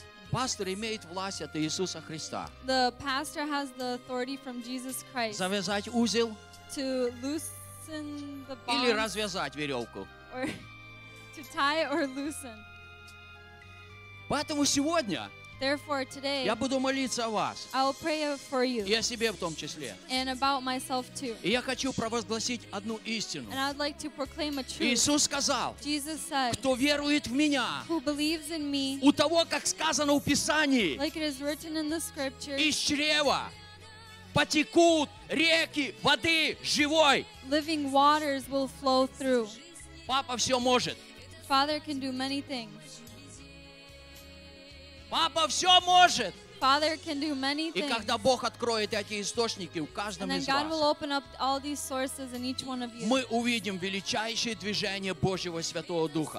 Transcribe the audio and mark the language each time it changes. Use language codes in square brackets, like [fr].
[ru] Пастор имеет власть от Иисуса Христа. [en] The pastor has the authority from Jesus Christ. [ru] Завязать узел. [en] To loosen the bond. [ru] Или развязать веревку. [en] Or to tie or loosen. [ru] Поэтому сегодня. [en] Therefore today. [ru] Я буду молиться о вас. [en] I will pray for you. [ru] И о себе в том числе. [en] And about myself too. [ru] И я хочу провозгласить одну истину. [en] And I'd like to proclaim a truth. [ru] Иисус сказал. [en] Jesus said. [ru] Кто верует в меня. [en] Who believes in me. [ru] У того, как сказано в Писании. [en] Like it is written in the scriptures. [ru] Из чрева потекут реки воды живой. [en] Living waters will flow through. [ru] Папа все может. [en] Father can do many things. [ru] Папа все может. [en] Father can do many things. [ru] И когда Бог откроет эти источники в каждом из вас, [en] God will open up all these sources in each one of you. [ru] Мы увидим величайшее движение Божьего Святого Духа.